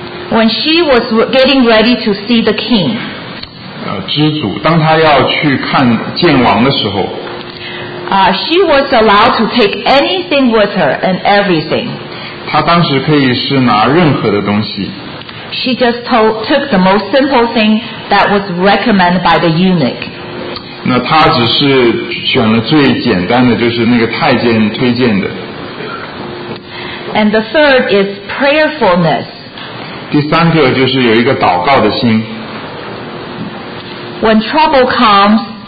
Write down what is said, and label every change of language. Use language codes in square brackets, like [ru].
[en] When she was getting ready to see the king, [zh] 知足，当她要去看见王的时候， [en] she was allowed to take anything with her and everything. [zh] 她当时可以是拿任何的东西。 [en] She just took the most simple thing that was recommended by the eunuch. [zh] 那她只是选了最简单的，就是那个太监推荐的。 [en] And the third is prayerfulness. [zh] 第三个就是有一个祷告的心。 [en] When trouble comes,